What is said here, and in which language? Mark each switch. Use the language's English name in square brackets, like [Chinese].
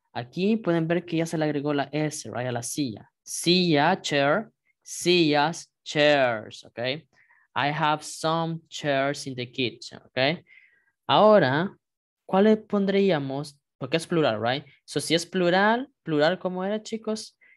[Spanish] Aquí pueden ver que ya se le agregó la S, right? A la silla. Silla, chair. Sillas, chairs, okay? [English] I have some chairs in the kitchen, okay? Ahora, [Spanish] ¿cuál le pondríamos? Porque es plural, right? So, si es plural, ¿plural cómo era, chicos?